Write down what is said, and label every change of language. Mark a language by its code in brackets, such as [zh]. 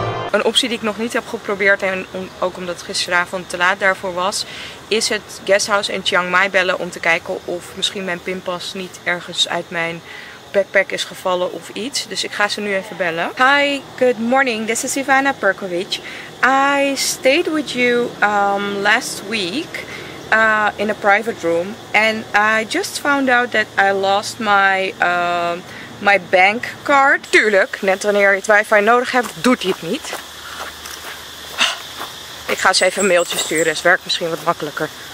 [nl] Een optie die ik nog niet heb geprobeerd en ook omdat het gisteravond te laat daarvoor was, is het guesthouse in Chiang Mai bellen om te kijken of misschien mijn pinpas niet ergens uit mijn backpack is gevallen of iets. Dus ik ga ze nu even bellen. [en] Hi, good morning. This is Ivana Perkovic. I stayed with you last week in a private room and I just found out that I lost my bank card. [nl] Tuurlijk, net wanneer je het wifi nodig hebt, doet hij het niet. Ik ga ze even een mailtje sturen, het werkt misschien wat makkelijker.